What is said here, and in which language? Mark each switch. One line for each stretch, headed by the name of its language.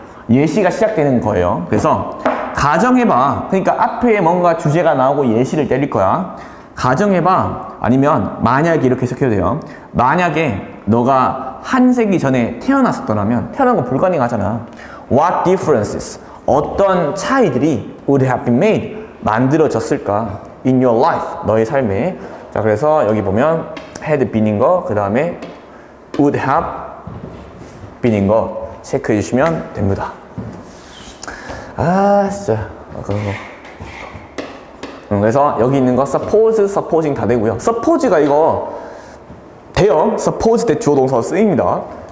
Korean: 예시가 시작되는 거예요. 그래서 가정해봐. 그러니까 앞에 뭔가 주제가 나오고 예시를 때릴 거야. 가정해봐. 아니면 만약에 이렇게 해석해도 돼요. 만약에 너가 한 세기 전에 태어났었더라면 태어난 건 불가능하잖아.
English: What differences?
Korean: 어떤 차이들이
English: would have been made?
Korean: 만들어졌을까?
English: In your life.
Korean: 너의 삶에. 자 그래서 여기 보면
English: had been
Korean: 인 거 그 다음에
English: would have
Korean: 박빙인 거 체크해 주시면 됩니다. 아 진짜 그거. 그래서 여기 있는 거 서포즈, 서포징 다 되고요. 서포즈가 이거 대형 서포즈 대 주어 동사로 쓰입니다.